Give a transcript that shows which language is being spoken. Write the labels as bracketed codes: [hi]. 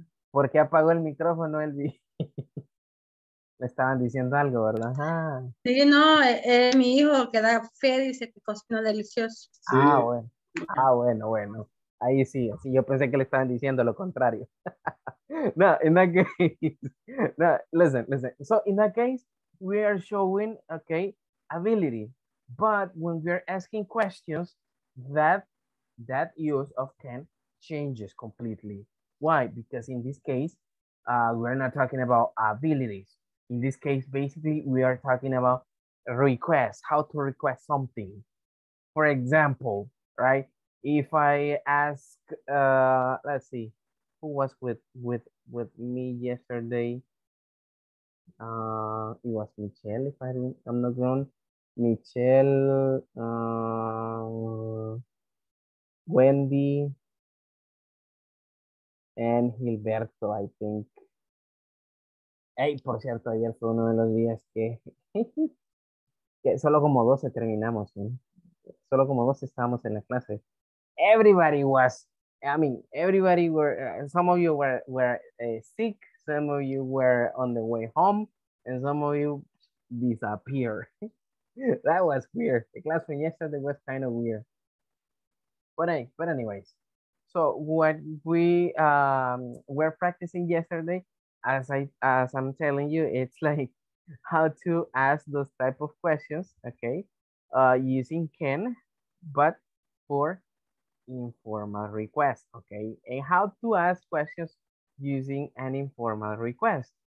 [es] ¿Por qué apagó el micrófono, Elvi? Me estaban diciendo algo, ¿verdad? Ah. Sí, no, mi hijo que da fe dice que cocina delicioso. Ah, bueno. Ah, bueno, bueno. Ahí sí, sí, yo pensé que le estaban diciendo lo contrario. [en] No, in that case, no, listen, listen. So, in that case, we are showing, okay, ability. But when we are asking questions, that use of can changes completely. Why? Because in this case, we're not talking about abilities. In this case, basically, we are talking about requests, how to request something. For example, right? If I ask, let's see, who was with me yesterday? It was Michelle, if I'm not wrong. Michelle, Wendy, and Gilberto, I think. [es] Hey, por cierto, ayer fue uno de los días que, que solo como 12 terminamos, ¿no? Solo como 12 estábamos en la clase. [en] Everybody was, I mean, everybody were, some of you were sick, some of you were on the way home, and some of you disappeared. That was weird. The class from yesterday was kind of weird. But anyways, so what we were practicing yesterday, as I'm telling you, it's like how to ask those type of questions, okay, using can, but for informal request, okay, and how to ask questions using an informal request.